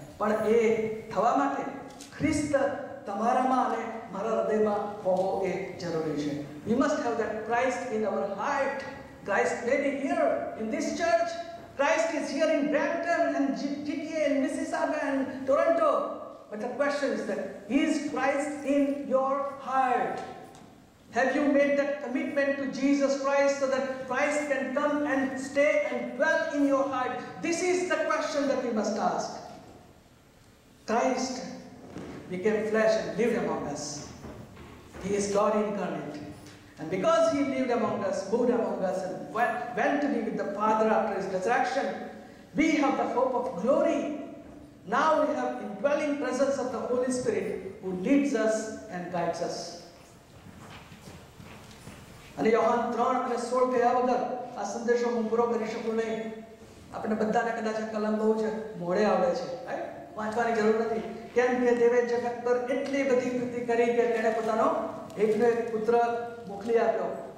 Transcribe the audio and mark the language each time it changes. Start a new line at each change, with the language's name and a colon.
Gujarati: પણ એ થવા માટે ખ્રિસ્ત તમારામાં અને મારા હૃદયમાં હોવો એ જરૂરી છે.
English: We must have that Christ in our heart. Christ may be here in this church. Christ is here in Brampton and GTA and Mississauga and Toronto. But the question is that is Christ in your heart? Have you made that commitment to Jesus Christ so that Christ can come and stay and dwell in your heart? This is the question that we must ask. Christ became flesh and lived among us. He is God incarnate. And because he lived among us, moved among us and went to be with the Father after his resurrection, we have the hope of glory. Now we have indwelling presence of the Holy Spirit who leads us and guides us.
Gujarati: અને યોહાન 3:16 કહ્યા વગર આ સંદેશો હું પૂરો કરી શકું નહીં. આપણે બધાને કદાચ કલમ બહુ છે, મોડે આવડે છે, વાંચવાની જરૂર નથી. કેમ કે દેવે જગત પર એટલી બધી કૃતિ કરી કે તેણે પોતાનો એકનો એક પુત્ર મોકલી આપ્યો.